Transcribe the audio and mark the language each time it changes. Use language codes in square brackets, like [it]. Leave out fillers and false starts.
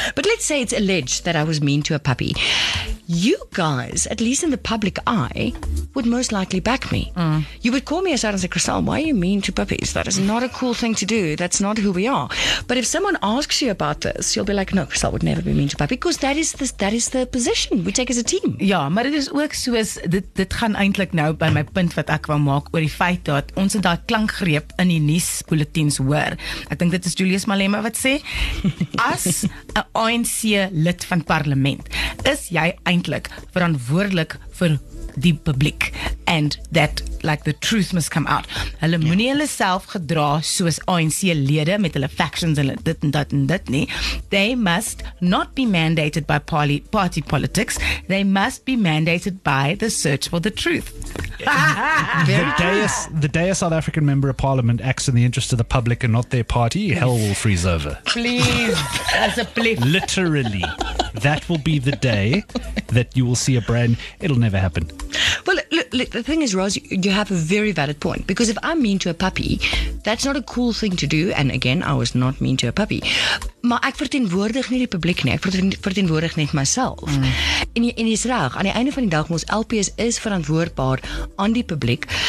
[en] But let's say it's alleged that I was mean to a puppy. You guys, at least in the public eye, would most likely back me. Mm. You would call me aside and say, Christelle, why are you mean to puppies? That is not a cool thing to do. That's not who we are. But if someone asks you about this, you'll be like, no, Christelle would never be mean to puppies. Because that is the position we take as a team. [af] Ja, maar dit is ook soos, dit gaan eintlik nou by my punt wat ek wou maak oor die feit dat ons het daai klankgreep in die nuusbulletins hoor. Ek dink dit is Julius Malema wat sê, as 'n ANC lid van parlement, is jy eintlik verantwoordelik vir die publiek [en] and that like the truth must come out. [af] Hulle moenie hulle self gedra soos ANC lede met hulle factions en dit en dat en dit nie. [en] They must not be mandated by party politics. They must be mandated by the search for the truth. The day a South African member of parliament acts in the interest of the public and not their party, hell will freeze over. Please, as a blip. Literally. That will be the day that you will see a brand. It'll never happen. Well, look, the thing is, Roz, you have a very valid point. Because if I'm mean to a puppy, that's not a cool thing to do. And again, I was not mean to a puppy. [af] Maar ek verteenwoordig nie die publiek nie, ek verteenwoordig net myself. Mm. En jy is reg, aan die einde van die dag, ons LPS is verantwoordbaar aan die publiek.